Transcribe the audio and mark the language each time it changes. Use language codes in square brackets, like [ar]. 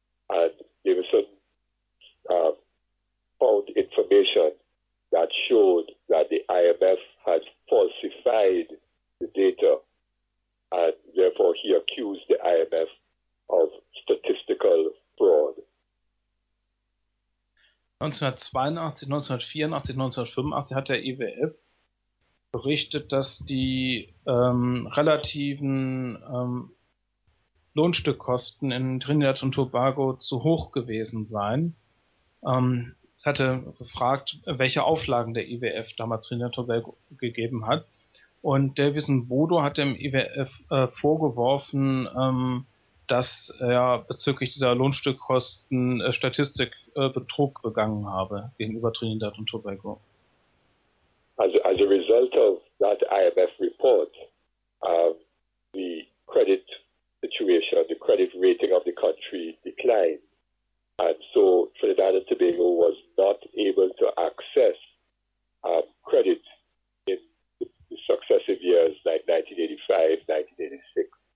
[en] And Davison found information that showed that the IMF had falsified the data, and therefore he accused the IMF of statistical fraud. [de] 1982, 1984, 1985 hat der IWF berichtet, dass die relativen Lohnstückkosten in Trinidad und Tobago zu hoch gewesen seien. Ich hatte gefragt, welche Auflagen der IWF damals Trinidad Tobago gegeben hat. Und Davis Mbudu hat dem IWF vorgeworfen, dass er bezüglich dieser Lohnstückkosten Statistikbetrug begangen habe gegenüber Trinidad und Tobago. [en] as a result of that IMF report, the credit situation, the credit rating of the country declined. And so Trinidad and Tobago was not able to access credit in the successive years like 1985, 1986,